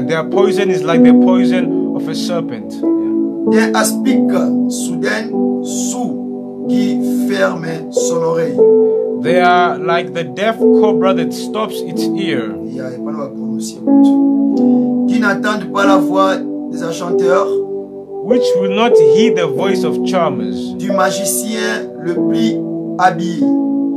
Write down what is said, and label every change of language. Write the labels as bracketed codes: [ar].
[en] Their poison is like the poison of a serpent. [fr] Un aspic soudain sous qui ferme son oreille. [en] They are like the deaf cobra that stops its ear. [fr] Qui n'entend pas la voix des enchanteurs. [en] Which will not heed the voice of charmers. [fr] Du magicien le plus habile.